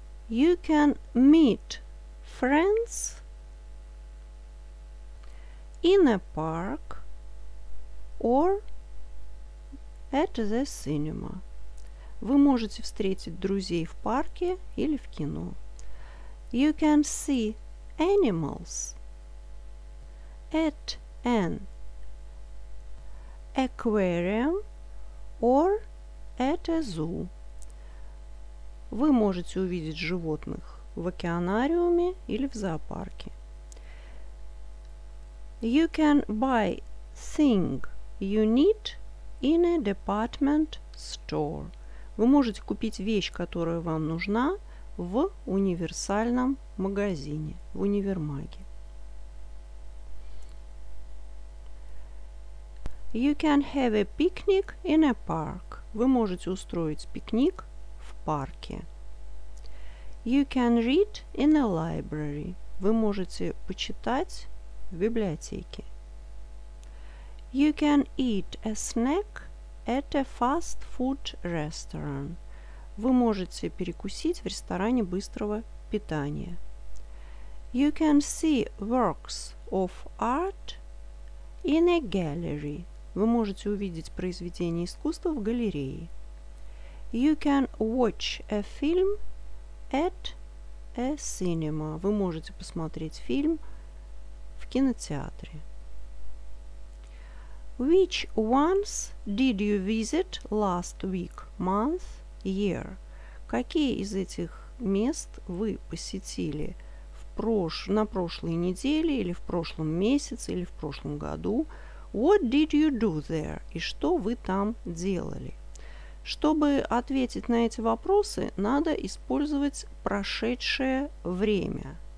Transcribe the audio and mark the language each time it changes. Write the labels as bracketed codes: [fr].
[en] You can meet friends in a park or at the cinema. [ru] Вы можете встретить друзей в парке или в кино. [en] You can see animals at an aquarium or at a zoo. [ru] Вы можете увидеть животных в океанариуме или в зоопарке. [en] You can buy thing you need in a department store. [ru] Вы можете купить вещь, которая вам нужна, в универсальном магазине, в универмаге. [en] You can have a picnic in a park. [ru] Вы можете устроить пикник в парке. [en] You can read in a library. [ru] Вы можете почитать в библиотеке. [en] You can eat a snack at a fast food restaurant. [ru] Вы можете перекусить в ресторане быстрого питания. [en] You can see works of art in a gallery. [ru] Вы можете увидеть произведение искусства в галерее. [en] You can watch a film at a cinema. [ru] Вы можете посмотреть фильм в кинотеатре. [en] Which ones did you visit last week, month? Year. [ru] Какие из этих мест вы посетили на прошлой неделе, или в прошлом месяце, или в прошлом году? [en] What did you do there? [ru] И что вы там делали? Чтобы ответить на эти вопросы, надо использовать прошедшее время.